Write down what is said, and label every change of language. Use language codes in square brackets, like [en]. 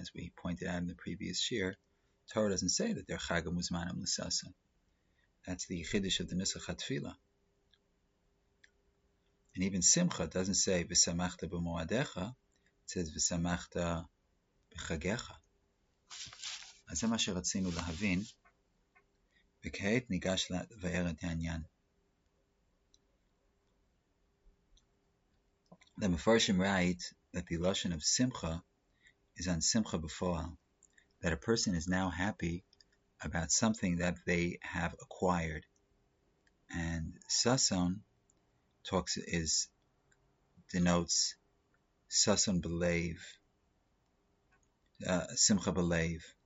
[en] As we pointed out in the previous shir, Torah doesn't say that they're [he] Chagim Uzmanim l'Sasan. [en] That's the Chiddush of the Nusach HaTfila. And even Simcha doesn't say [he] V'samachta b'moadecha, [en] it says [he] V'samachta b'chagecha. אז זה מה שרצינו להבין. וכעת ניגש לבאר את העניין. [en] The Mefarshim write that the lashon of simcha is on simcha b'foal, that a person is now happy about something that they have acquired. And sason denotes [he] sason b'lev, simcha b'lev.